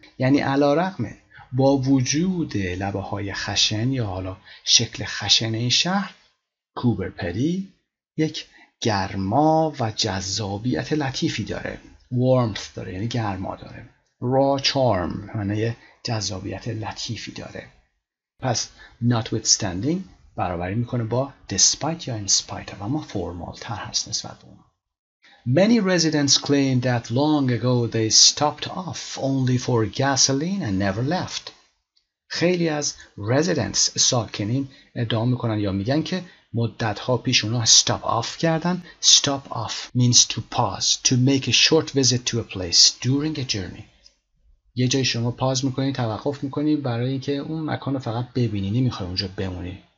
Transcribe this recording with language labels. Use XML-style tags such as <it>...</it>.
<fa>یعنی علارغم با وجود لبه های خشن یا حالا شکل خشن این شهر، Cooper Petty یک گرما و جذابیت لطیفی داره. Warmth داره یعنی گرما داره. Raw charm یعنی جذابیت لطیفی داره. پس notwithstanding برابری میکنه با despite یا in spite of، اما فرمال تر هست نسبت به اون.</fa> <en>Many residents claim that long ago they stopped off only for gasoline and never left.</en> <fa>خیلی از residents ساکنین ادعا میکنن یا میگن که مدت ها پیش اونا stop off کردن.</fa> <en>Stop off means to pause, to make a short visit to a place during a journey.</en> <fa>یه جای شما پاز میکنی، توقف میکنی برای اینکه اون مکان رو فقط ببینی، نمیخوای اونجا بمونی.</fa>